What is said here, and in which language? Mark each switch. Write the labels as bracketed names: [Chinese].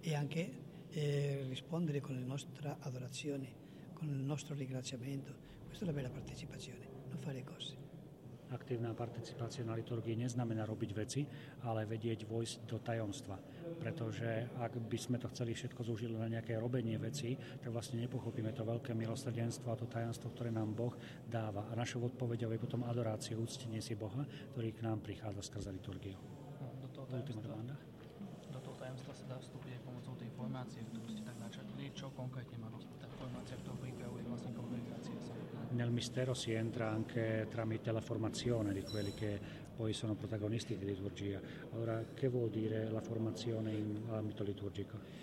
[Italian] E anche rispondere con la nostra adorazione, con il nostro ringraziamento. Questa è la vera partecipazione, non fare cose. [Slovak] Aktívna participácia na liturgii neznamená robiť veci, ale vedieť vojsť do tajomstva. Pretože ak by sme to chceli všetko zúžiť na nejaké robenie veci, tak vlastne nepochopíme to veľké milosrdenstvo a to tajomstvo, ktoré nám Boh dáva. A našou odpoveďou je potom adorácia, úctenie si Boha, ktorý k nám prichádza skrze liturgiu. Do toho tajomstva. Tajomstva sa dá vstúpiť aj pomocou tej formácie, ktorú ste tak načrtli. Čo konkrétne má rozpráva? Tá formácia, ktorú pripravuje vlastne kongregácia samotná. [Italian] Nel mistero si entra anche tramite la formazione di quelli che poi sono protagonisti di liturgia. Allora, che vuol dire la formazione in ambito liturgico?